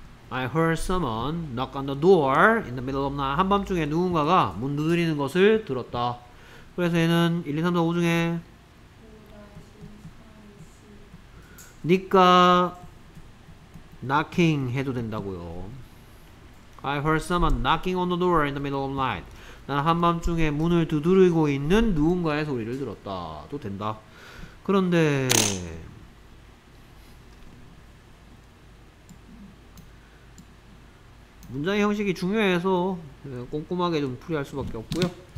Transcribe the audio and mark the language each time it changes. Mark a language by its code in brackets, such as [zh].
[en] 'I heard someone knock on the door in the middle of night.' [ko] 한밤중에 누군가가 문 두드리는 것을 들었다. 그래서 얘는 1, 2, 3, 4, 5 중에 니까 knocking 해도 된다고요. [en] 'I heard someone knocking on the door in the middle of night.' [ko] 난 한밤중에 문을 두드리고 있는 누군가의 소리를 들었다도 된다. 그런데 문장의 형식이 중요해서 꼼꼼하게 좀 풀이할 수밖에 없고요.